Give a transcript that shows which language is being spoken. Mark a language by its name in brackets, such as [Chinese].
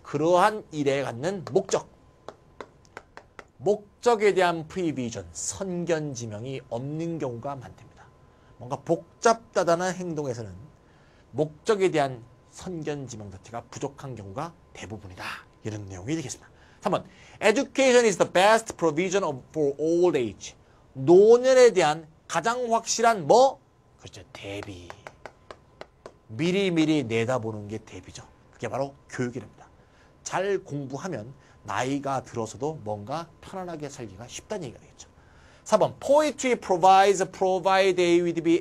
[Korean] 그러한 일에 갖는 목적. 목적에 대한 prevision, 선견지명이 없는 경우가 많답니다. 뭔가 복잡다단한 행동에서는 목적에 대한 선견지명 자체가 부족한 경우가 대부분이다. 이런 내용이 되겠습니다. 3번. [English] Education is the best provision for old age. [Korean] 노년에 대한 가장 확실한 뭐? 그렇죠. 대비. 미리미리 내다보는 게 대비죠. 그게 바로 교육이 됩니다. 잘 공부하면 나이가 들어서도 뭔가 편안하게 살기가 쉽다는 얘기가 되겠죠. [English] 4번 Poetry provide A with B.